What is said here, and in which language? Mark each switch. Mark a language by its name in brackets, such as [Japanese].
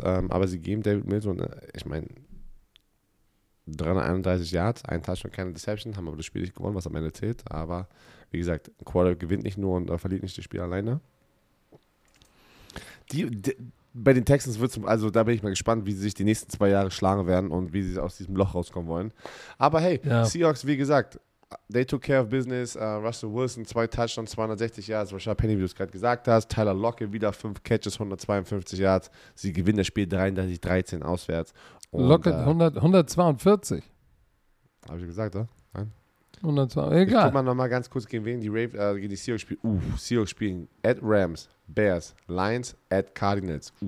[German] Aber sie geben David Mills und ich meine, 331 Yards, ein Touchdown, keine Deception, haben aber das Spiel nicht gewonnen, was am Ende zählt. Aber wie gesagt, ein Quarterback gewinnt nicht nur und verliert nicht das Spiel alleine. Bei den Texans wird es, also da bin ich mal gespannt, wie sie sich die nächsten 2 Jahre schlagen werden und wie sie aus diesem Loch rauskommen wollen. Aber hey, ja. [English] Seahawks, [German] wie gesagt, [English] they took care of business. Russell Wilson, 2 Touchdowns, 260 Yards. [German] Rashad Penny, wie du es gerade gesagt hast. Tyler Lockett, wieder 5 Catches, 152 Yards. Sie gewinnen das Spiel 33-13 auswärts. Und, Lockett 142. Habe ich gesagt, oder? Nein. 142, egal. Ich guck mal nochmal ganz kurz, gegen die Seahawks spielen. Seahawks spielen at Rams, Bears, Lions, at Cardinals.